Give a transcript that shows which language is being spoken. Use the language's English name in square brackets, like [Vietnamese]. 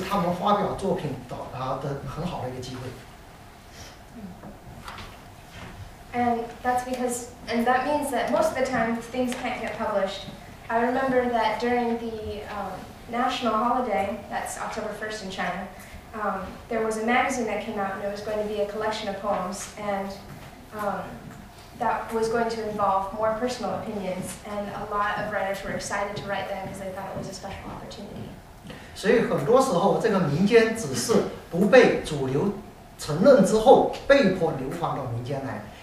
[Chinese] 因为现在诗人大部分是发表不了作品，我知道有一个杂志在有一年的国庆，就是我们中华人民共和国成立多少周年国庆，举办了一个诗歌专辑，结果的话，写来诗歌来投稿的大部分都是民间诗人，因为对他们来讲，这个是他们发表作品的很好的一个机会。 [English] And that means that most of the time things can't get published. I remember that during the national holiday, that's October 1st in China, there was a magazine that came out and it was going to be a collection of poems and that was going to involve more personal opinions and a lot of writers were excited to write them because they thought it was a special opportunity. [Chinese] 所以很多时候这个民间只是不被主流承认之后被迫流放到民间来。